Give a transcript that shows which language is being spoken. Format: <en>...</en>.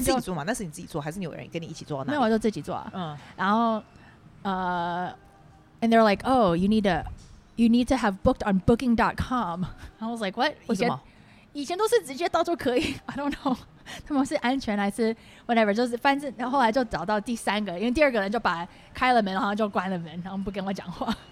<zh>你自己坐嘛，那是你自己坐，还是你有人跟你一起坐到那裡？没有，我就自己坐。</zh> <en>嗯，然后and they're like, oh, you need to have booked on booking.com. I was like, what?</en> <zh>为什么？以前都是直接到就可以。</zh> <en>I don't know.</en> <zh>他们是安全还是 whatever， 就是反正后来就找到第三个，因为第二个人就把开了门，然后就关了门，然后不跟我讲话。</zh>